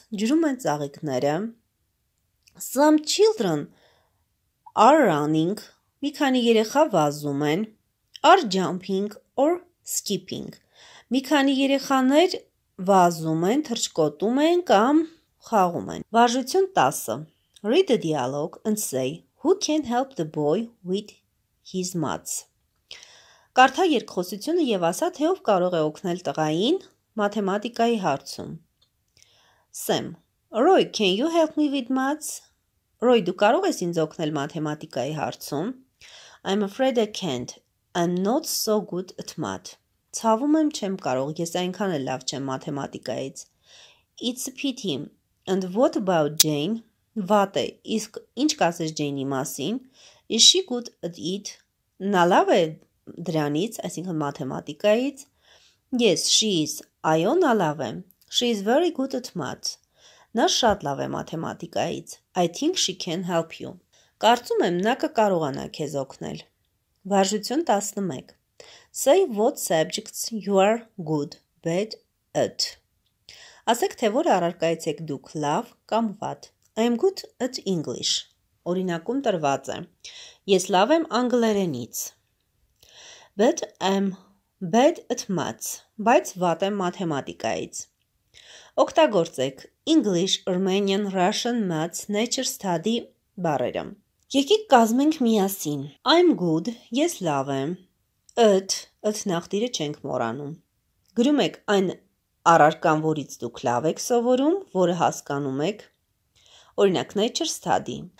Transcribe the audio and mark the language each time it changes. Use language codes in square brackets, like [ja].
[hy] Ջրում են ծաղիկները. [en] Some children are running. [hy] Մի քանի երեխա վազում են. [en] Are jumping or skipping. [hy] Մի քանի երեխաներ Վազում են, թռչկոտում են կամ խաղում են։ Վարժություն 10. [en] Read the dialogue and say, who can help the boy with his maths? [hy] Կարդա երկխոսությունը եւ ասա, թե ով կարող է օգնել տղային մաթեմատիկայի հարցում։ Sam. [en] Roy, can you help me with maths? Roy, [hy] դու կարող ես ինձ օգնել մաթեմատիկայի հարցում? [en] I'm afraid I can't. I'm not so good at math. [hy] Ցավում եմ, չեմ կարող, ես այնքան էլ լավ չեմ մաթեմատիկայից։ [en] It's a pity. And what about Jane? [hy] Վատ է, իսկ ինչ կասես Jane-ի մասին? [en] Is she good at it? [hy] Նա լավ է դրանից, այսինքն մաթեմատիկայից? [en] Yes, she is. [hy] Այո, նա լավ է. [en] She is very good at math. [hy] Նա շատ լավ է մաթեմատիկայից. [en] I think she can help you. [hy] Կարծում եմ, նա կկարողանա քեզ օգնել։ Վարժություն 11. [en] Say what subjects you are good, bad at. [hy] Ասեք, թե որ առարկայից եք դուք լավ կամ վատ։ [en] I am good at English. [hy] Օրինակում տրված է. Ես լավ եմ անգլերենից։ [en] But I am bad at maths. [hy] Բայց վատ եմ մաթեմատիկայից։ Օգտագործեք English, Armenian, Russian, Maths, Nature Study բառերը։ Եկեք կազմենք միասին։ [en] I'm good, [hy] ես լավ եմ։ At նախտիրը չենք մոռանում։ Գրում եք այն առարկան, որից դուք լավ եք սովորում, որը հասկանում եք։ Օրինակ Nature Study.